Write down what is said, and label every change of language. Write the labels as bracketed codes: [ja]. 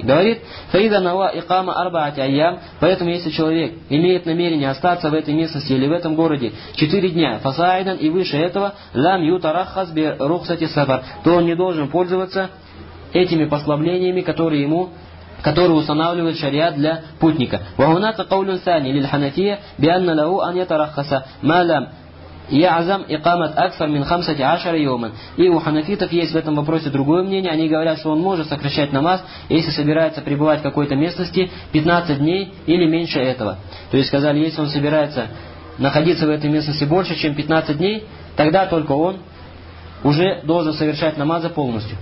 [ru] Говорит, [ar] «Фаида нава икама арбаати айям». [ru] Поэтому если человек имеет намерение остаться в этой местности или в этом городе 4 дня, фасайдан и выше этого, [ar] «Лам ютараххас бе рухсати сафар», [ru] то он не должен пользоваться этими послаблениями, которые ему... который устанавливает шариат для путника. [ar] وهناك قول ثاني للحنفية بأن له أن يترخص ما لم يعزم إقامة أكثر من 15 يوما. [ru] И у ханафитов есть в этом вопросе другое мнение. Они говорят, что он может сокращать намаз, если собирается пребывать в какой-то местности 15 дней или меньше этого. То есть сказали, если он собирается находиться в этой местности больше, чем 15 дней, тогда только он уже должен совершать намазы полностью.